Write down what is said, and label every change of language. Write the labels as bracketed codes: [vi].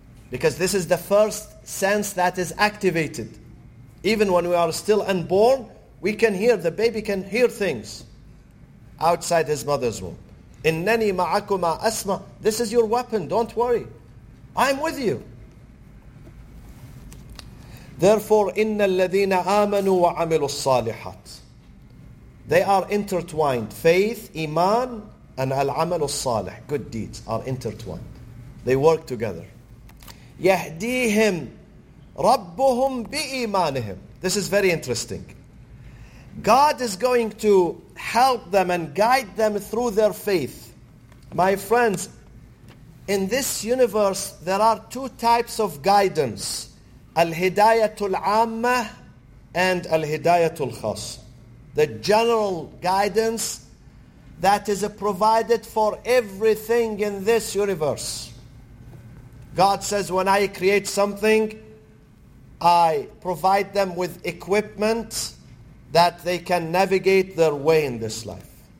[en] Because this is the first sense that is activated. Even when we are still unborn, we can hear, the baby can hear things outside his mother's womb. [ar] إِنَّنِي مَعَكُمَا أَسْمَى. [en] This is your weapon, don't worry. I'm with you. Therefore, [ar] إِنَّ الَّذِينَ آمَنُوا وَعَمِلُوا الصَّالِحَاتِ. [en] They are intertwined. Faith, iman, and al-amalu الصَّالِح. Good deeds are intertwined. They work together. [ar] يَهْدِيهِمْ رَبُّهُمْ بِإِيمَانِهِمْ. [en] This is very interesting. God is going to help them and guide them through their faith. My friends, in this universe, there are two types of guidance. [ar] الْهِدَايَةُ الْعَامَّةِ and الْهِدَايَةُ الْخَاصِ. [en] The general guidance that is provided for everything in this universe. God says, when I create something, I provide them with equipment that they can navigate their way in this life.